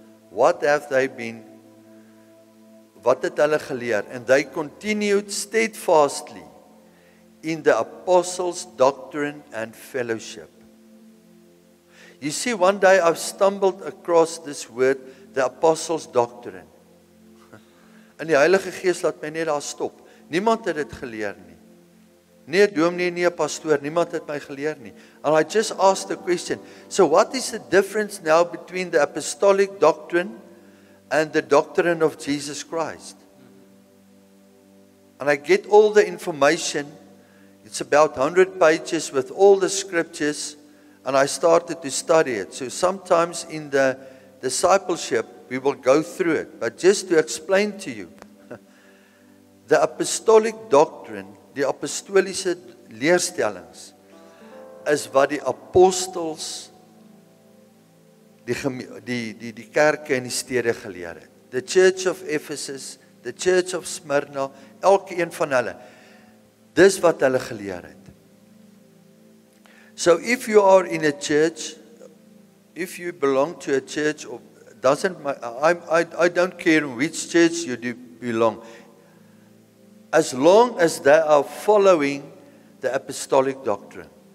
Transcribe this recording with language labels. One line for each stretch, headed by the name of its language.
Afrikaans: What het hulle geleer?
English: And they continued steadfastly in the apostles' doctrine and fellowship. You see, one day I've stumbled across this word, the apostles' doctrine.
Afrikaans: En die Heilige Gees laat my net daar stop. Niemand het dit geleer nie. Nie 'n dominee, nie 'n pastoor, niemand het my geleer nie.
English: And I just asked the question, so what is the difference now between the apostolic doctrine and the doctrine of Jesus Christ? And I get all the information. It's about 100 pages with all the scriptures. And I started to study it. So sometimes in the discipleship, we will go through it. But just to explain to you, the apostolic doctrine, the
Afrikaans: apostolische leerstellings, is wat die apostels, die kerke en die stede geleer het.
English: The church of Ephesus, the church of Smyrna,
Afrikaans: elke een van hulle. Dis wat hulle geleer het.
English: So if you are in a church, if you belong to a church, or I don't care which church you do belong. As long as they are following the apostolic doctrine.